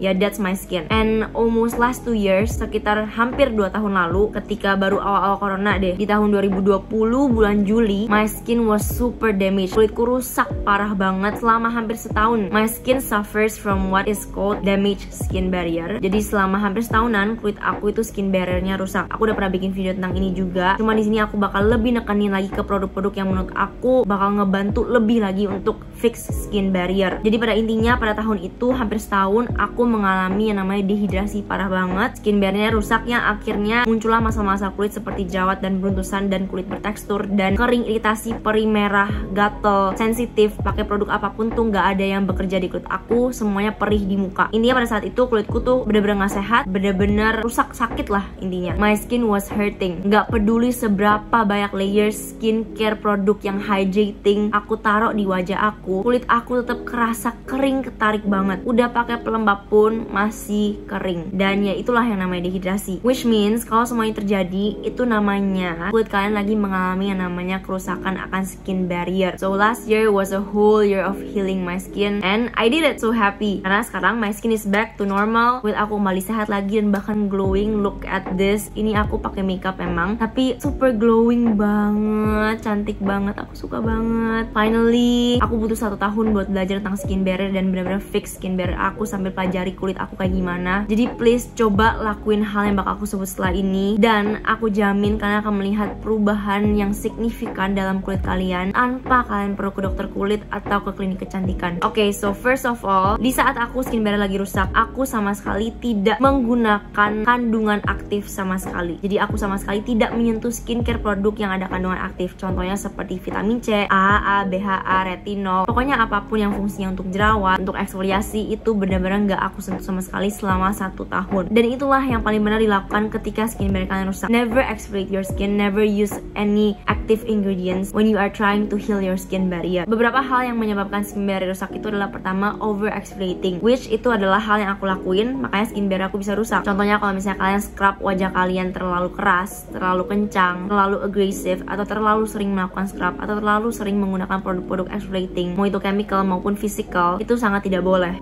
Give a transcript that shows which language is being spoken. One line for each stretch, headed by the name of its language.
English: Yeah, that's my skin. And almost last 2 years,
Indonesian: sekitar hampir 2 tahun lalu, ketika baru awal-awal corona deh, di tahun 2020 bulan Juli,
English: my skin was super damaged.
Indonesian: Kulitku rusak parah banget selama hampir setahun.
English: My skin suffers from what is called damaged skin barrier.
Indonesian: Jadi selama hampir setahunan kulit aku itu skin barrier-nya rusak. Aku udah pernah bikin video tentang ini juga. Cuma di sini aku bakal lebih nekenin lagi ke produk-produk yang menurut aku bakal ngebantu lebih lagi untuk fix skin barrier. Jadi pada intinya pada tahun itu hampir setahun aku mengalami yang namanya dehidrasi parah banget. Skin barrier-nya rusak yang akhirnya muncullah masalah-masalah kulit seperti jerawat dan beruntusan dan kulit bertekstur dan kering, iritasi, perih merah, gatel, sensitif. Pakai produk apapun tuh enggak ada yang bekerja di kulit aku, semuanya perih di muka. Intinya pada saat itu kulitku tuh bener-bener enggak sehat, bener-bener rusak. Sakit lah intinya.
English: My skin was hurting.
Indonesian: Gak peduli seberapa banyak layer skincare produk yang hydrating aku taruh di wajah aku, kulit aku tetap kerasa kering, ketarik banget. Udah pakai pelembab pun masih kering. Dan ya itulah yang namanya dehidrasi.
English: Which means
Indonesian: kalau semuanya terjadi, itu namanya kulit kalian lagi mengalami yang namanya kerusakan akan skin barrier.
English: So last year was a whole year of healing my skin and I did it so happy.
Indonesian: Karena sekarang
English: my skin is back to normal.
Indonesian: Kulit aku kembali sehat lagi dan bahkan glowing.
English: Look at this.
Indonesian: Ini aku pakai makeup emang, tapi super glowing banget, cantik banget. Aku suka banget. Finally, aku butuh 1 tahun buat belajar tentang skin barrier dan benar-benar fix skin barrier aku sambil pelajari kulit aku kayak gimana. Jadi please coba lakuin hal yang bakal aku sebut setelah ini dan aku jamin kalian akan melihat perubahan yang signifikan dalam kulit kalian tanpa kalian perlu ke dokter kulit atau ke klinik kecantikan.
English: Okay, so first of all,
Indonesian: di saat aku skin barrier lagi rusak, aku sama sekali tidak menggunakan kandungan aktif sama sekali. Jadi aku sama sekali tidak menyentuh skincare produk yang ada kandungan aktif. Contohnya seperti vitamin C, AA, BHA, retinol. Pokoknya apapun yang fungsinya untuk jerawat, untuk eksfoliasi, itu benar-benar gak aku sentuh sama sekali selama 1 tahun. Dan itulah yang paling benar dilakukan ketika skin barrier kalian rusak.
English: Never exfoliate your skin, never use any active ingredients when you are trying to heal your skin barrier.
Indonesian: Beberapa hal yang menyebabkan skin barrier rusak itu adalah pertama, over exfoliating, which itu adalah hal yang aku lakuin, makanya skin barrier aku bisa rusak. Contohnya kalau misalnya kalian scrub wajah kalian terlalu keras, terlalu kencang, terlalu agresif, atau terlalu sering melakukan scrub, atau terlalu sering menggunakan produk-produk exfoliating, mau itu chemical maupun physical, itu sangat tidak boleh.